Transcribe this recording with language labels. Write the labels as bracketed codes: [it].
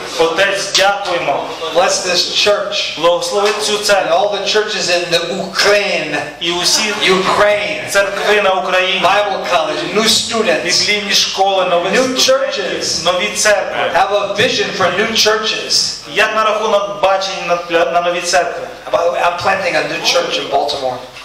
[uk] Отець, дякуємо. [en] Bless this church. [uk] Благослови цю церкву. [en] And all the churches in the Ukraine. [uk] І усі [en] Ukraine. [uk] Церкви на Україні. [en] Bible college, new students. [uk] Біблійні школи, нові [en] new churches. [uk] Нові церкви. [en] Have a vision for new churches. [uk] Як на рахунок бачення на нові церкви. [en] By the way, I'm planting a new church in Baltimore.